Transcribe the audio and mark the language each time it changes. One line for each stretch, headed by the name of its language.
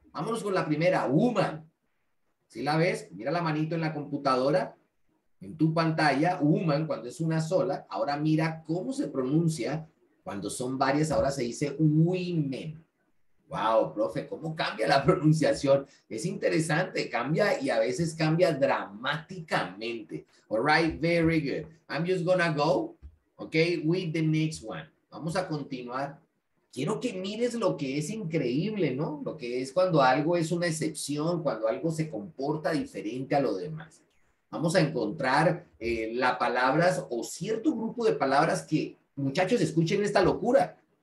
Spanish: Vámonos con la primera, woman. ¿Sí la ves? Mira la manito en la computadora, en tu pantalla. Woman, cuando es una sola. Ahora mira cómo se pronuncia cuando son varias. Ahora se dice women. Wow, profe, ¿cómo cambia la pronunciación? Es interesante, cambia y a veces cambia dramáticamente.
English: All right, very good. I'm just gonna go, okay, with the next one.
Spanish: Vamos a continuar. Quiero que mires lo que es increíble, ¿no? Lo que es cuando algo es una excepción, cuando algo se comporta diferente a lo demás. Vamos a encontrar las palabras o cierto grupo de palabras que, muchachos, escuchen esta locura.